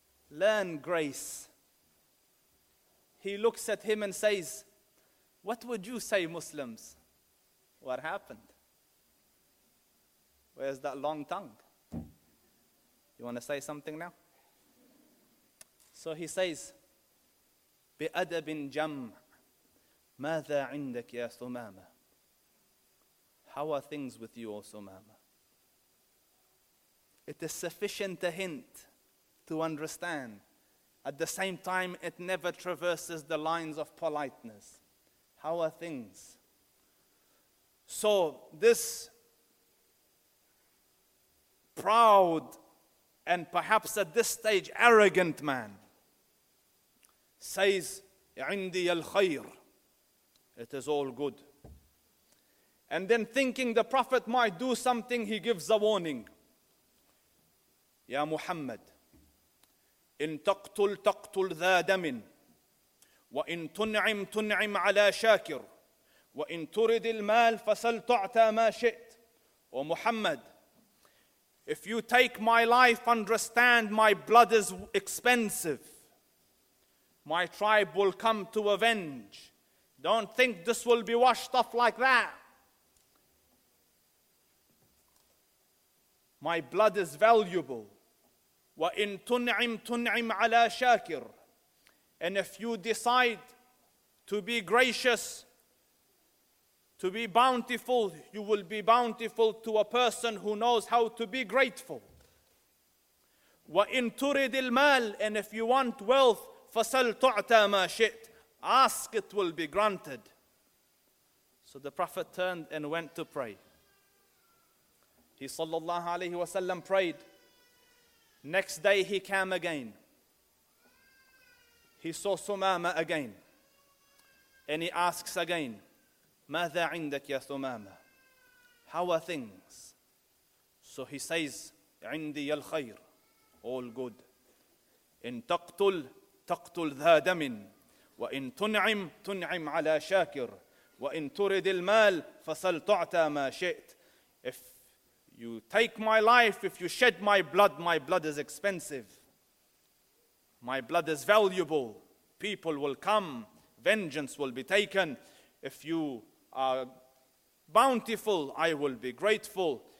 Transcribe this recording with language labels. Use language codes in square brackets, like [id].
[en] Learn grace. He looks at him and says, what would you say, Muslims? What happened? Where's that long tongue? You want to say something now? So he says, [ar] بأدب جمع ماذا عندك يا ثمامة? [en] How are things with you, O Thumama? It is sufficient a hint to understand. At the same time, it never traverses the lines of politeness. How are things? So this proud and perhaps at this stage arrogant man says, [ar] عندي الخير. [en] It is all good. And then thinking the Prophet might do something, he gives a warning. [ar] يا محمد إن تقتل تقتل ذا دم وإن تنعم تنعم على شاكر وإن ترد المال فسل تعطى ما شئت [en] O Muhammad If you take my life, understand my blood is expensive. My tribe will come to avenge. Don't think this will be washed off like that. My blood is valuable. [ar] وَإِن تُنْعِمْ تُنْعِمْ عَلَى شَاكِرٍ [en] And if you decide to be gracious, to be bountiful, you will be bountiful to a person who knows how to be grateful. [ar] وَإِن تُرِدِ الْمَالِ [en] And if you want wealth, [ar] فَسَلْ تُعْتَى مَا شِئْتْ [en] Ask, it will be granted. So the Prophet turned and went to pray. He, [ar] صلى الله عليه وسلم, [en] prayed. Next day he came again. He saw Thumama again. And he asks again, [ar] ماذا عندك يا ثمامة? [en] How are things? So he says, [ar] عندي الخير. [en] All good. [ar] إن تقتل تقتل ذا دم وإن تنعم تنعم على شاكر وإن ترد المال فسل تعطى ما شئت. [en] If you take my life, if you shed my blood is expensive. My blood is valuable. People will come. Vengeance will be taken. If you are bountiful, I will be grateful.